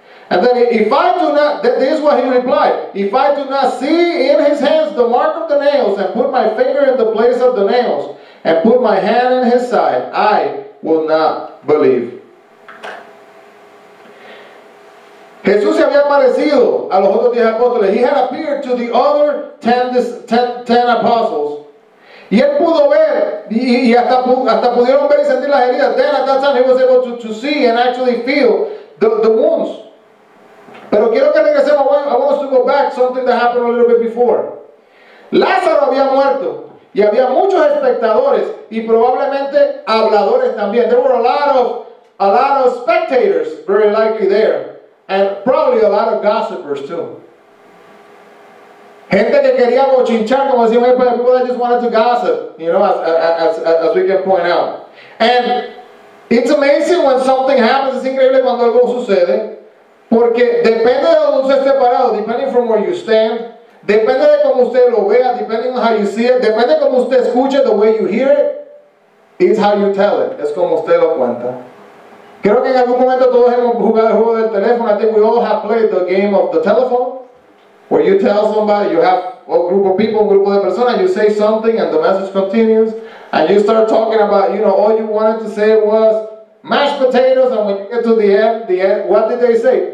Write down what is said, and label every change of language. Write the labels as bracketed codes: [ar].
[en] And then if I do not, this is what he replied. If I do not see in his hands the mark of the nails and put my finger in the place of the nails and put my hand in his side, I will not believe. [es] Jesús se había aparecido a los otros 10 apóstoles. [en] He had appeared to the other 10 apostles. [es] Y él pudo ver, y hasta pudieron ver y sentir las heridas. [en] Then at that time he was able to see and actually feel the wounds. [es] Pero quiero que regresemos, [en] I want us to go back to something that happened a little bit before. [es] Lázaro había muerto. Y había muchos espectadores y probablemente habladores también. [en] There were a lot of spectators, very likely there. And probably a lot of gossipers too. [es] Gente que quería bochinchar, como decía, [en] people that just wanted to gossip, you know, as we can point out. And it's amazing when something happens, [es] es increíble cuando algo sucede, porque depende de donde usted esté parado, [en] depending from where you stand, [es] depende de cómo usted lo vea, [en] depending on how you see it, [es] depende de cómo usted escuche, [en] the way you hear it, it's how you tell it, [es] es como usted lo cuenta. Creo que en algún momento todos hemos jugado el juego del teléfono. [en] I think we all have played the game of the telephone, where you tell somebody, you have a group of people, a [es] grupo de personas, [en] you say something and the message continues, and you start talking about, you know, all you wanted to say was mashed potatoes, and when you get to the end, what did they say?